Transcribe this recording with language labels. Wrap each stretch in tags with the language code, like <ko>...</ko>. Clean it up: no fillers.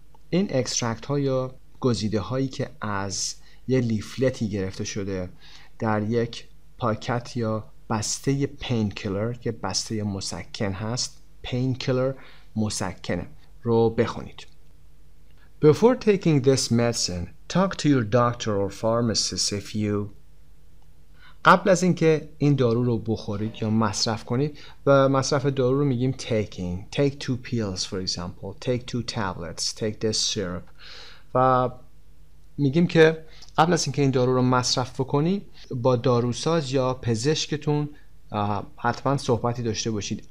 <fa>این اکستراکت ها یا گزیده هایی که از یه لیفلتی گرفته شده در یک پاکت یا بسته painkiller که بسته مسکن هست، painkiller مسکنه، رو بخونید.</fa> <en>Before taking this medicine, talk to your doctor or pharmacist if you...</en> <fa>قبل از اینکه این دارو رو بخورید یا مصرف کنید، و مصرف دارو رو میگیم taking.</fa> <en>Take two pills for example. Take two tablets. Take this syrup.</en> <fa>و میگیم که قبل از اینکه این دارو رو مصرف بکنی با داروساز یا پزشکتون حتما صحبتی داشته باشید.</fa>